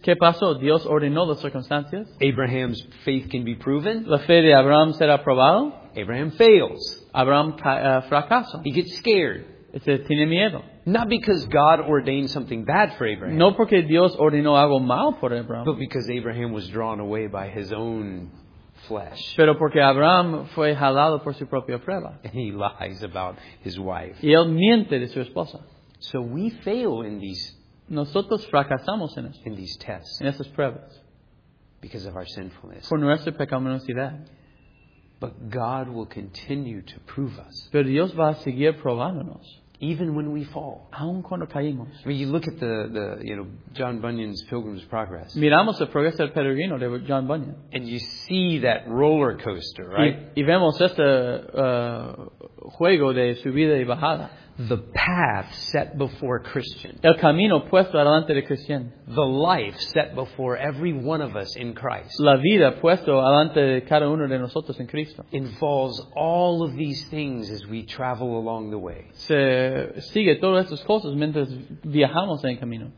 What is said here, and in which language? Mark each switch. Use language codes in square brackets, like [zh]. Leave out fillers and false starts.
[es] ¿Qué pasó? Dios ordenó las circunstancias. [en] Abraham's faith can be proven. [es] La fe de Abraham será probado. [en] Abraham fails. [es] Abraham fracasa. [en] He gets scared. [es] Tiene miedo. [en] Not because God ordained something bad for Abraham. [es] No porque Dios ordenó algo mal por Abraham. [en] But because Abraham was drawn away by his own flesh. [es] Pero porque Abraham fue jalado por su propia prueba. [en] And he lies about his wife. [es] Y él miente de su esposa. [en] So we fail in these. [es] Nosotros fracasamos en esto. [en] In these tests. [es] En estas pruebas. [en] Because of our sinfulness. [es] Por nuestra pecaminosidad. [en] But God will continue to prove us. [es] Pero Dios va a seguir probándonos. [en] Even when we fall. [es] Aun cuando caímos. [en] I mean, you look at the you know, John Bunyan's Pilgrim's Progress. [es] Miramos el progreso del peregrino de John Bunyan. [en] And you see that roller coaster, right? [es] Y vemos este juego de subida y bajada. [en] The path set before Christian. [es] El camino puesto delante de Cristian. [en] The life set before every one of us in Christ. [es] La vida puesto delante de cada uno de nosotros en Cristo. [en] Involves all of these things as we travel along the way. [es] Se sigue todas estas cosas mientras viajamos en camino.